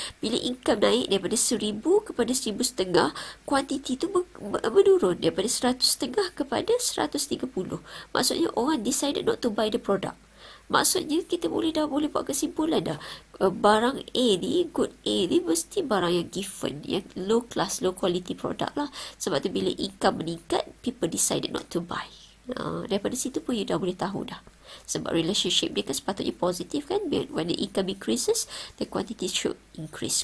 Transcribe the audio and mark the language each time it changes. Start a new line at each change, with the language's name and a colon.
Malay: Bila income naik daripada 1,000 kepada 1,500, kuantiti tu menurun daripada 150 kepada 130. Maksudnya orang
English: decided not to buy the product.
Malay: Maksudnya kita boleh buat kesimpulan dah. Barang A ni, good A ni mesti barang yang given, yang low class, low quality product lah. Sebab tu bila
English: income meningkat, people decided not to buy.
Malay: Daripada situ pun you dah boleh tahu dah. Sebab relationship dia kan sepatutnya positif, kan?
English: When the income increases, the quantity should increase.